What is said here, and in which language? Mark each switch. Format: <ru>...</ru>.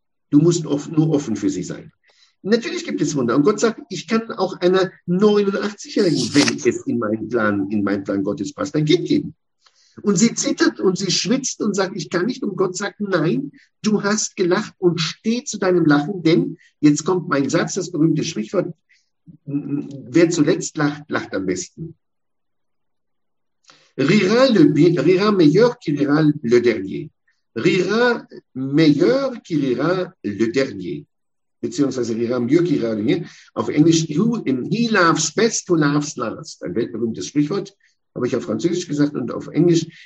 <de>Du musst nur offen für sie sein. Natürlich gibt es Wunder. Und Gott sagt, ich kann auch einer 89-Jährigen, wenn es in meinen Plan Gottes passt, ein Kind geben. Und sie zittert und sie schwitzt und sagt, ich kann nicht. Und Gott sagt, nein, du hast gelacht und steh zu deinem Lachen. Denn jetzt kommt mein Satz, das berühmte Sprichwort, wer zuletzt lacht, lacht am besten.</de> <fr>Rira meilleur qui rira le dernier. Rira meilleur qui rira le dernier.</fr> <de>Beziehungsweise Riram Jürgi Radinge, auf Englisch,</de> <en>he laughs best, who laughs last.</en> <de>Ein weltberühmtes Sprichwort, habe ich auf Französisch gesagt und auf Englisch.</de>